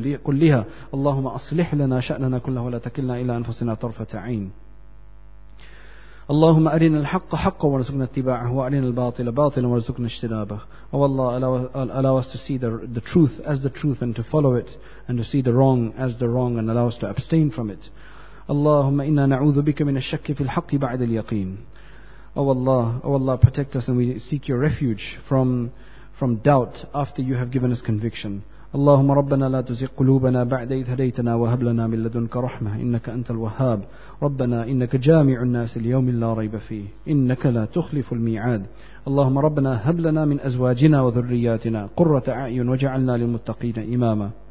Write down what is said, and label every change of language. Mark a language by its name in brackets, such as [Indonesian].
[Arabic] كلها اللهم أصلح لنا شأننا كله ولا تكلنا إلى أنفسنا طرفة عين اللهم أرنا الحق حقا وارزقنا اتباعه وأرنا الباطل باطلا وارزقنا اجتنابه والله [English] allow us to see the truth as the truth and to follow it and to see the wrong as the wrong and allow us to abstain from it. [Arabic] اللهم إنا نعوذ بك من الشك في الحق بعد اليقين. [English] Oh Allah, protect us, and we seek your refuge from doubt after you have given us conviction. [Arabic] اللهم ربنا لا تزغ قلوبنا بعد إذ هديتنا وهب لنا من لدنك رحمة إنك أنت الوهاب. ربنا إنك جامع الناس ليوم لا ريب فيه إنك لا تخلف الميعاد. اللهم ربنا هب لنا من أزواجنا وذرياتنا قرة أعين وجعلنا للمتقين إماما.